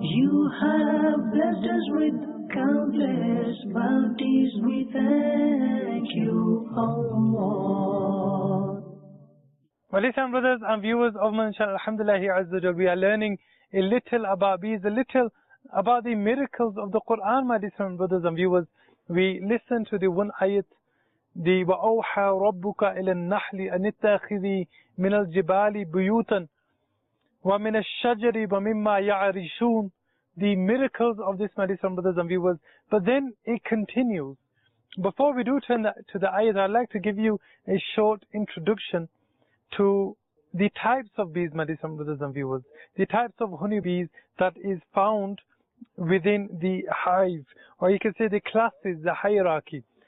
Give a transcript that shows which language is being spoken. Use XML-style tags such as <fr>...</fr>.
<en>You have blessed us with countless bounties, we thank you, Allah. Well, listen, brothers and viewers of Manshallah, alhamdulillah, azza wa jal, we are learning a little about bees, a little about the miracles of the Quran, my dear brothers and viewers. We listen to the one ayat, the</en> <ar>وَأَوْحَى رَبُّكَ إِلَى النَّحْلِ أَنِ اتَّخِذِي مِنَ الْجِبَالِ بُيُوتًا وَمِنَ الشَّجَرِ وَمِمَّا يَعْرِشُونَ.</ar> <en>The miracles of this, my dear brothers and viewers. But then it continues. Before we do turn to the ayat, I'd like to give you a short introduction to the types of bees, my dear brothers and viewers, the types of honeybees that is found within the hive, or you can say the classes, the hierarchy.</en>